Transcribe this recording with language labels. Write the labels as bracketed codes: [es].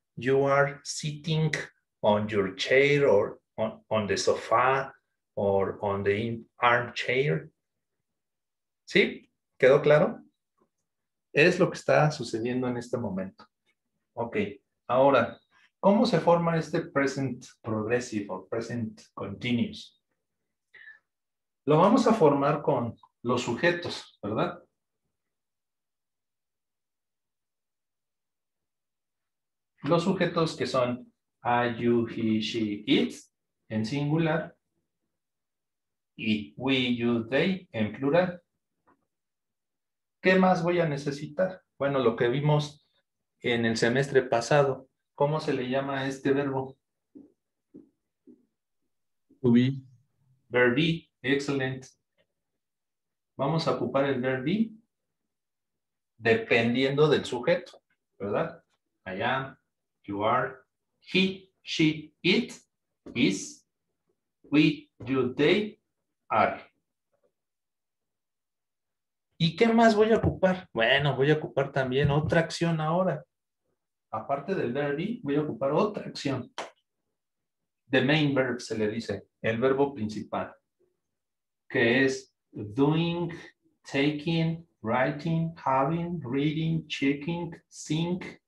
[en] You are sitting on your chair or on the sofa or on the armchair. [es] ¿Sí? ¿Quedó claro? Es lo que está sucediendo en este momento. Ok, ahora, ¿cómo se forma este present progressive o present continuous? Lo vamos a formar con los sujetos, ¿verdad? Los sujetos que son I, you, he, she, it en singular y we, you, they en plural. ¿Qué más voy a necesitar? Bueno, lo que vimos en el semestre pasado, ¿cómo se le llama a este verbo? [en] To be. Verb be, excellent. [es] Vamos a ocupar el verb be dependiendo del sujeto, ¿verdad? [en] I am, you are, he, she, it, is, we, you, they, are. [es] ¿Y qué más voy a ocupar? Bueno, voy a ocupar también otra acción ahora. Aparte del verb be, voy a ocupar otra acción. The main verb se le dice, el verbo principal, que es doing, taking, writing, having, reading, checking, seeing.